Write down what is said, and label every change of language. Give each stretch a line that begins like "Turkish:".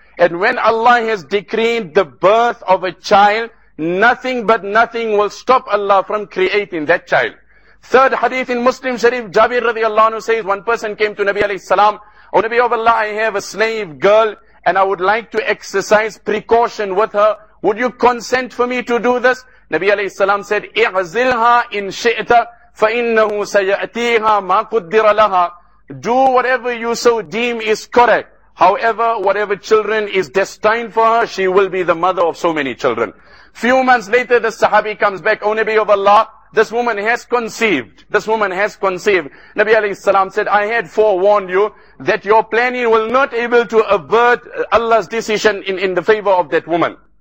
English: And when Allah has decreed the birth of a child, nothing but nothing will stop Allah from creating that child. Third hadith in Muslim Sharif, Jabir radiallahu anhu says, one person came to Nabi alayhi salam, O Nabi of Allah, I have a slave girl, and I would like to exercise precaution with her. Would you consent for me to do this? Nabi alayhi salam said,
Arabic: اِعْزِلْهَا إِنْ شِئْتَ فَإِنَّهُ سَيَأْتِيهَا مَا قُدِّرَ لَهَا.
English: Do whatever you so deem is correct. However, whatever children is destined for her, she will be the mother of so many children. Few months later, the sahabi comes back, O Nabi of Allah, this woman has conceived. This woman has conceived. Nabi alayhi salam said, I had forewarned you that your planning will not able to avert Allah's decision in the favor of that woman.